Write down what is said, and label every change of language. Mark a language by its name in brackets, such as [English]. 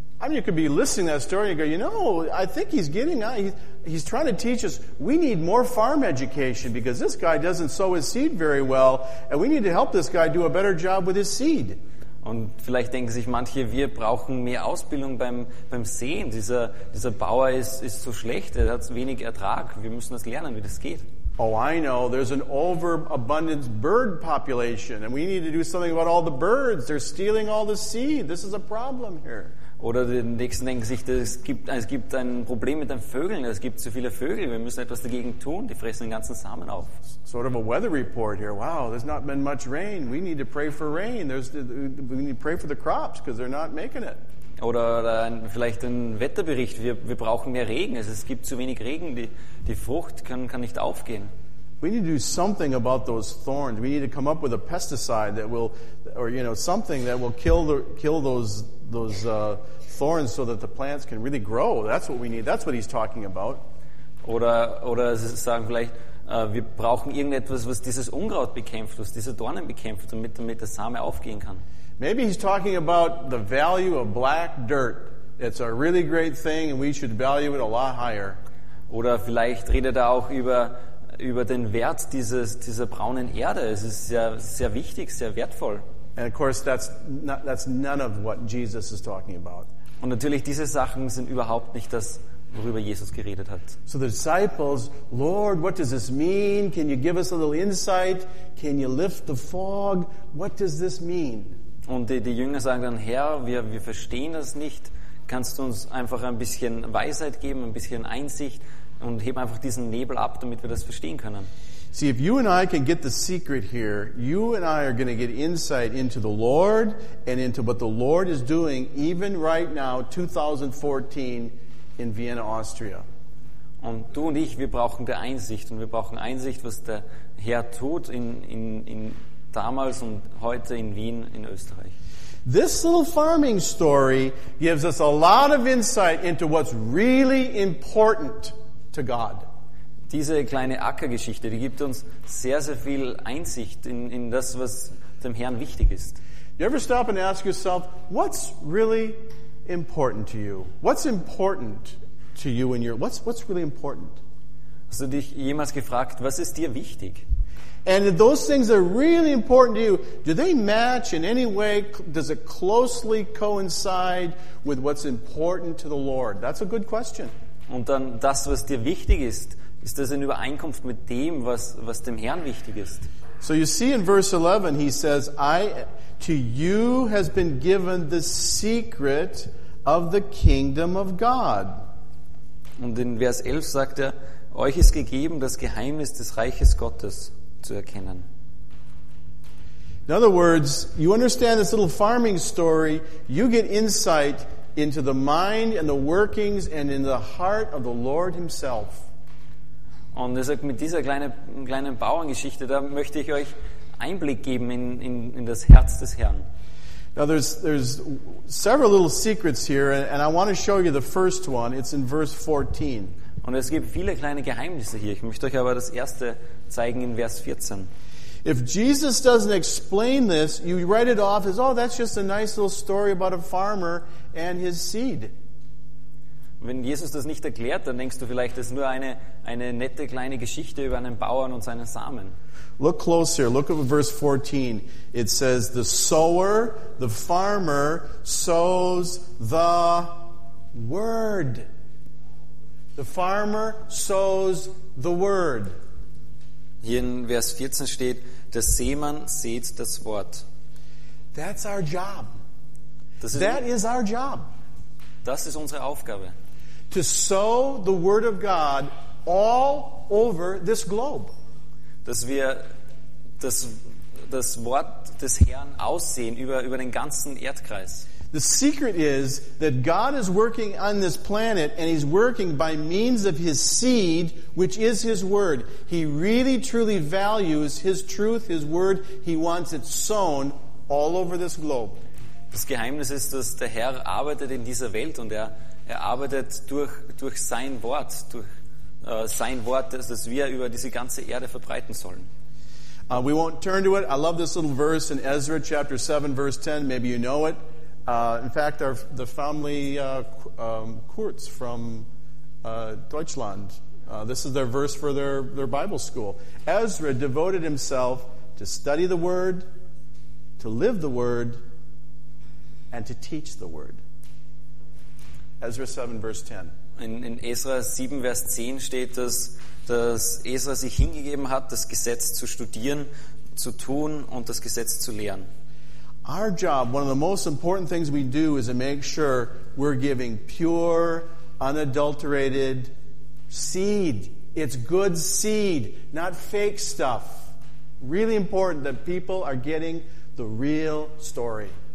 [English] I mean, you could be listening to that story and go, you know, I think he's getting, he's trying to teach us, we need more farm education because this guy doesn't sow his seed very well and we need to help this guy do a better job with his seed. [German] Und vielleicht denken sich manche, wir brauchen mehr Ausbildung beim Säen. Dieser Bauer ist so schlecht, er hat wenig Ertrag. Wir müssen das lernen, wie das geht. [English] Oh, I know, there's an overabundance bird population and we need to do something about all the birds. They're stealing all the seed. This is a problem here. [German] Oder den nächsten denken sich, es gibt ein Problem mit den Vögeln, es gibt zu viele Vögel, wir müssen etwas dagegen tun, die fressen den ganzen Samen auf. [English] Sort of a weather report here. Wow, there's not been much rain. We need to pray for rain. We need to pray for the crops because they're not making it. [German] Oder vielleicht ein Wetterbericht. Wir brauchen mehr Regen. Es gibt zu wenig Regen. Die Frucht kann nicht aufgehen. [English] We need to do something about those thorns. We need to come up with a pesticide that will, or you know, something that will kill those thorns so that the plants can really grow. That's what we need. That's what he's talking about. [German] Oder sagen vielleicht, wir brauchen irgendetwas, was dieses Unkraut bekämpft, was diese Dornen bekämpft, damit der Same aufgehen kann. [English] Maybe he's talking about the value of black dirt. It's a really great thing and we should value it a lot higher. [German] Oder vielleicht redet er auch über den Wert dieser braunen Erde. Es ist sehr, sehr wichtig, sehr wertvoll. [English] And of course, that's none of what Jesus is talking about. [German] Und natürlich, diese Sachen sind überhaupt nicht das, worüber Jesus geredet hat. [English] So the disciples, Lord, what does this mean? Can you give us a little insight? Can you lift the fog? What does this mean? [German] Und die Jünger sagen dann, Herr, wir verstehen das nicht. Kannst du uns einfach ein bisschen Weisheit geben, ein bisschen Einsicht? Und heben einfach diesen Nebel ab, damit wir das verstehen können. [English] See, if you and I can get the secret here, you and I are going to get insight into the Lord and into what the Lord is doing even right now, 2014, in Vienna, Austria. [German] Und du und ich, wir brauchen die Einsicht. Und wir brauchen Einsicht, was der Herr tut in damals und heute in Wien, in Österreich. [English] This little farming story gives us a lot of insight into what's really important to God. [German] Diese kleine Ackergeschichte, die gibt uns sehr, sehr viel Einsicht in das, was dem Herrn wichtig ist. [English] You ever stop and ask yourself, what's really important to you? What's important to you in your, what's really important? [German] Hast du dich jemals gefragt, was ist dir wichtig? [English] And those things that are really important to you, do they match in any way, does it closely coincide with what's important to the Lord? That's a good question. [German] Und dann das, was dir wichtig ist, ist das in Übereinkunft mit dem, was dem Herrn wichtig ist? [English] So you see in verse 11, he says, to you has been given the secret of the kingdom of God. [German] Und in Vers 11 sagt er, euch ist gegeben, das Geheimnis des Reiches Gottes zu erkennen. [English] In other words, you understand this little farming story, you get insight into the mind and the workings and in the heart of the Lord himself. [German] Und er sagt, mit dieser kleinen Bauerngeschichte, da möchte ich euch Einblick geben in das Herz des Herrn. [English] Now there's several little secrets here, and I want to show you the first one. It's in verse 14. [German] Und es gibt viele kleine Geheimnisse hier. Ich möchte euch aber das erste zeigen in Vers 14. [English] If Jesus doesn't explain this, you write it off as, oh, that's just a nice little story about a farmer and his seed. [German] Wenn Jesus das nicht erklärt, dann denkst du vielleicht, das ist nur eine nette kleine Geschichte über einen Bauern und seinen Samen. [English] Look close here. Look at verse 14. It says, the sower, the farmer, sows the word. The farmer sows the word. [German] Hier in Vers 14 steht, der Sämann sät das Wort. [English] That's our job. That is our job. [German] Das ist unsere Aufgabe. [English] To sow the word of God all over this globe. [German] Dass wir das Wort des Herrn aussehen über den ganzen Erdkreis. [English] The secret is that God is working on this planet and he's working by means of his seed, which is his word. He really truly values his truth, his word. He wants it sown all over this globe. [German] Das Geheimnis ist, dass der Herr arbeitet in dieser Welt und er arbeitet durch sein Wort, das wir über diese ganze Erde verbreiten sollen. [English] We won't turn to it. I love this little verse in Ezra chapter 7, verse 10. Maybe you know it. In fact, the family Kurz from Deutschland, this is their verse for their Bible school. Ezra devoted himself to study the word, to live the word, and to teach the word. Ezra 7, verse 10. [German] In Ezra 7, Vers 10 steht, dass Ezra sich hingegeben hat, das Gesetz zu studieren, zu tun und das Gesetz zu lehren. [English] Our job, one of the most important things we do is to make sure we're giving pure, unadulterated seed. It's good seed, not fake stuff. Really important that people are getting the real story.